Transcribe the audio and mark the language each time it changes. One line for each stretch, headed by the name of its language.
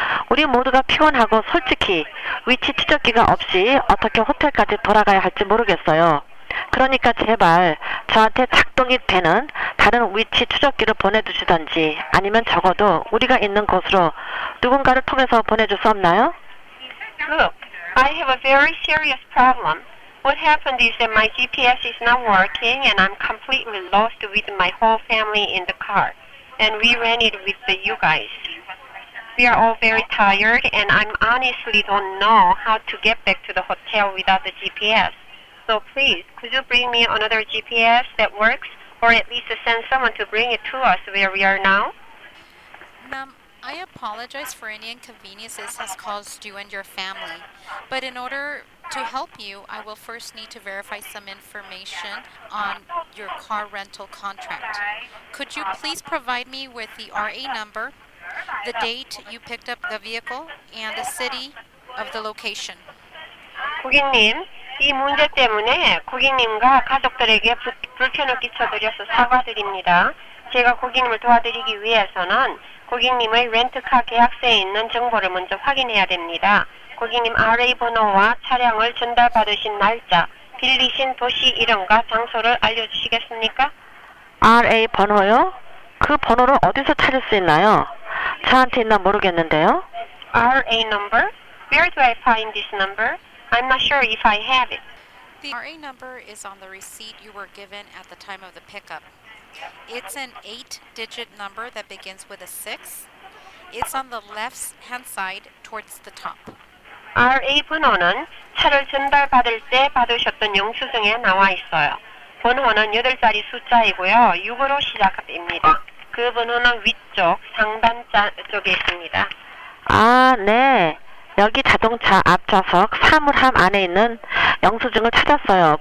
Korean: 우리 모두가 피곤하고 솔직히 위치 추적기가 없이 어떻게 호텔까지 돌아가야 할지 모르겠어요. 그러니까 제발 저한테 작동이 되는 다른 위치 추적기를 보내주시던지 아니면 적어도 우리가 있는 곳으로 누군가를 통해서 보내줄 수 없나요?
English: Look, I have a very serious problem. What happened is that my GPS is not working and I'm completely lost with my whole family in the car. And we ran it with you guys. We are all very tired and I honestly don't know how to get back to the hotel without the GPS. So please, could you bring me another GPS that works or at least send someone to bring it to us where we are now? Ma'am, I apologize for any inconvenience this has caused you and your family. But in order to help you, I will first need to verify some information on your car rental contract. Could you please provide me with the RA number, the date you picked up the vehicle, and the city of the location?
Korean: 고객님, 이 문제 때문에 고객님과 가족들에게 불편을 끼쳐드려서 사과드립니다. 제가 고객님을 도와드리기 위해서는 고객님의 렌트카 계약서에 있는 정보를 먼저 확인해야 됩니다. 고객님 RA 번호와 차량을 전달받으신 날짜, 빌리신 도시 이름과 장소를 알려주시겠습니까? RA 번호요? 그 번호를 어디서 찾을 수 있나요? 저한테 있나 모르겠는데요.
English: RA number? Where do I find this number? I'm not sure if I have it. The RA number is on the receipt you were given at the time of the pickup. It's an 8-digit number that begins with a 6. It's on the left-hand side towards the top.
Korean: RA 번호는 차를 전달받을 때 받으셨던 영수증에 나와 있어요. 번호는 8자리 숫자이고요. 6으로 시작됩니다. 그 번호는 위쪽 상단 쪽에 있습니다. 아, 네. 여기 자동차 앞좌석 사물함 안에 있는 영수증을 찾았어요.